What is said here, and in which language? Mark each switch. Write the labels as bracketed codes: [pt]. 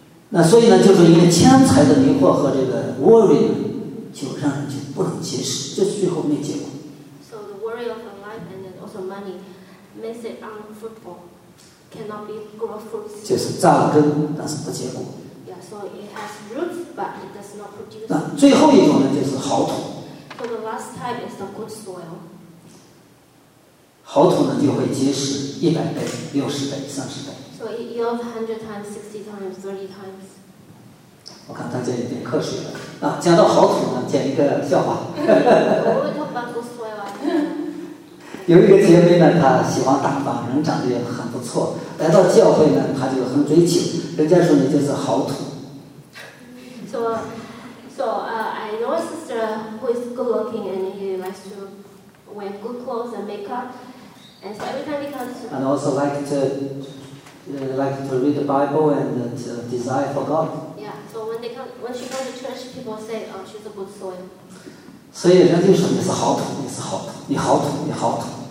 [zh] 那所以呢，就是因为钱财的迷惑和这个 worry 呢，就让人就不能接受，这是最后没结果。 [en] So the worry of life and also money makes it unfruitful, cannot be grow fruits. [zh] 就是扎了根，但是不结果。 [en] Yeah, so it has roots, but it does not produce. [zh] 那最后一种呢，就是好土。 [en] So the last type is the good soil. [zh] 好土呢，就会结实100倍、60倍、30倍。 [en] So it yields 100 times, 60 times, 30 times. [zh] 我看大家有点瞌睡了。那讲到好土呢，讲一个笑话。我会把故事说完。有一个姐妹呢，她喜欢打扮，人长得也很不错。来到教会呢，她就很追求，人家说你就是好土。 [en] So I know a sister who is good looking and he likes to wearing good clothes and makeup. And so every time he comes to... And also like to read the Bible and to desire for God. Yeah, so when they come, when she comes to church, people say, oh, she's a good soul. [zh] 所以人家就说你是好土，你是好土，你好土，你好土。